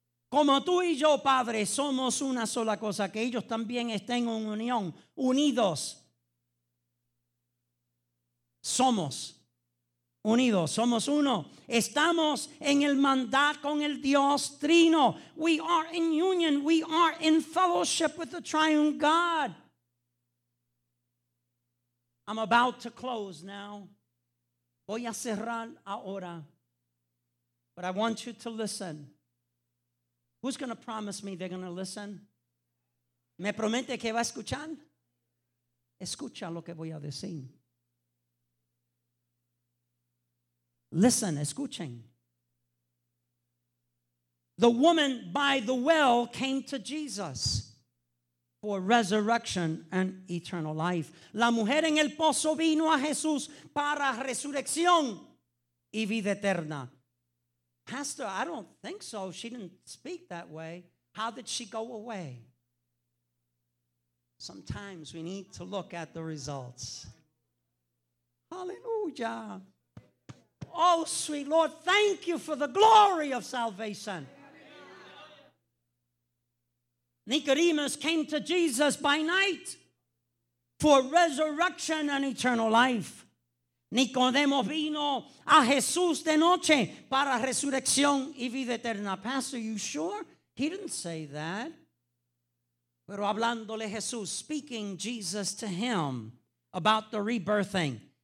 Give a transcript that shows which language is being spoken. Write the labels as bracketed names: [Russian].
[Spanish] Como tú y yo, Padre, somos una sola cosa, que ellos también estén en unión, unidos. Somos unidos, somos uno. Estamos en el mandat con el Dios Trino. [English] We are in union, we are in fellowship with the triune God. I'm about to close now. [Spanish] Voy a cerrar ahora. [English] But I want you to listen. Who's going to promise me they're going to listen? [Spanish] ¿Me promete que va a escuchar? Escucha lo que voy a decir. [English] Listen, [Spanish] escuchen. [English] The woman by the well came to Jesus for resurrection and eternal life. [Spanish] La mujer en el pozo vino a Jesús para resurrección y vida eterna. [English] Pastor, I don't think so. She didn't speak that way. How did she go away? Sometimes we need to look at the results. Hallelujah. Oh, sweet Lord, thank you for the glory of salvation. Nicodemus came to Jesus by night for resurrection and eternal life. [Spanish] Nicodemo vino a Jesús de noche para resurrección y vida eterna. [English] Pastor, you sure? He didn't say that. [Spanish] Pero hablándole Jesús, [English] speaking Jesus to him about the rebirthing.